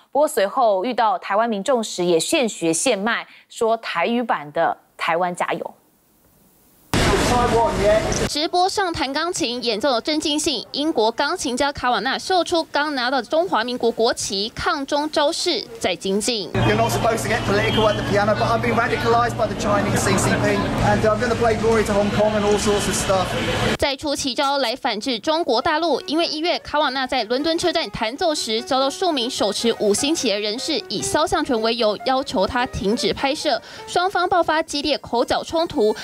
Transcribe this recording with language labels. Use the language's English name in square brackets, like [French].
[Chinese] 不过随后遇到台湾民众时也现学现卖，说台语版的台湾加油。直播上弹钢琴演奏有镇静性，英国钢琴家卡瓦纳秀出刚拿到中华民国国旗，抗中招式在精进。 [English] You're not supposed to get political at the piano, but I've been radicalized by the Chinese CCP, and I'm going to play glory to Hong Kong and all sorts of stuff. [Chinese] 再出奇招来反制中国大陆，因为一月卡瓦纳在伦敦车站弹奏时，遭到数名手持五星旗的人士以肖像权为由要求他停止拍摄，双方爆发激烈口角冲突。